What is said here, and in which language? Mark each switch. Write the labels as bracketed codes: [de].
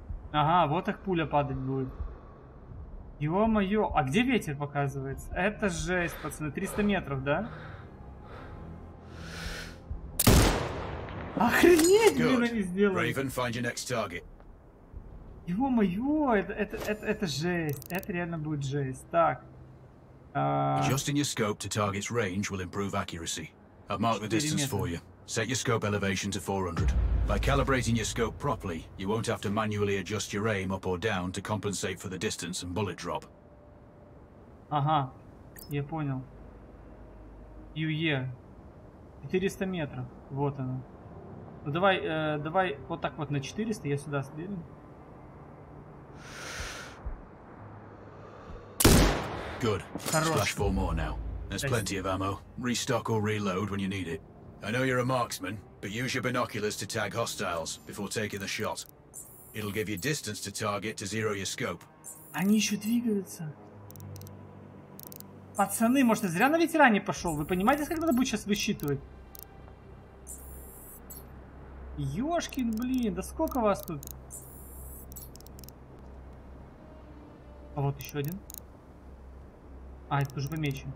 [ru] Ага, вот так пуля падать будет. Ё-моё, а где ветер показывается? Это жесть, пацаны, 300 метров, да? Охренеть, [en] good. [ru] Блин, они сделали. [en] Raven, find your next target. [ru] Ё-моё, это жесть, это реально будет жесть. Так. [en] Adjusting your scope to target's range will improve accuracy. I've marked the distance for you. Set your scope elevation to 400. By calibrating your scope properly, you won't have to manually adjust your aim up or down to compensate for the distance and bullet drop. [ru] Ага, я понял. UE. 400 метров. Вот оно. Ну давай, давай вот так вот на 400, я сюда сбегу. [en] Good. [ru] Хорош. [en] Splash four more now. There's plenty of ammo. Restock or reload when you need it. I know you're a marksman, but use your binoculars to tag hostiles before taking the shot. It'll give you distance to target to zero your scope. [ru] Они еще двигаются. Пацаны, может, я зря на ветеране пошел? Вы понимаете, как надо будет сейчас высчитывать? Ёшкин, блин, да сколько вас тут? А вот еще один. А, это тоже помечен.